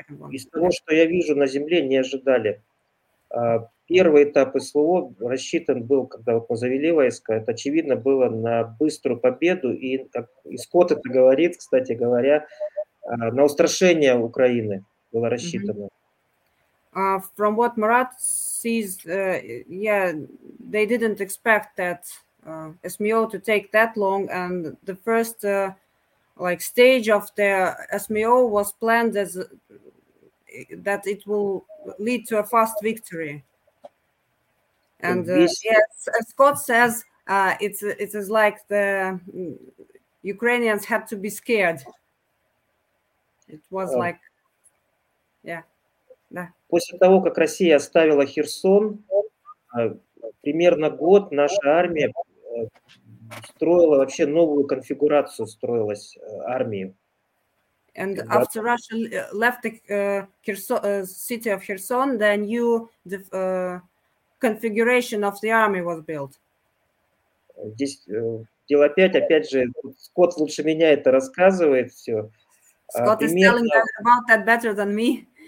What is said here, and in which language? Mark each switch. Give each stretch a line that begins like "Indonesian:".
Russian: Из того, что я вижу на земле, не ожидали. Первый этап СВО рассчитан был, когда мы завели войска, это очевидно было на быструю победу, и, как Скотт это говорит, кстати говоря, на устрашение Украины было рассчитано.
English: From what Murat sees, they didn't expect that SMO to take that long, and the first stage of the SMO was planned as that it will lead to a fast victory. And Scott says it is like the Ukrainians had to be scared. It was
Russian: После того, как Россия оставила Херсон, примерно год наша армия строила вообще новую конфигурацию, строилась армию.
English: And after Russia left the city of Kherson, the new configuration of the army was built.
Russian: Здесь дело опять же, Скотт лучше меня это рассказывает все.
English: Scott is telling about that better than me.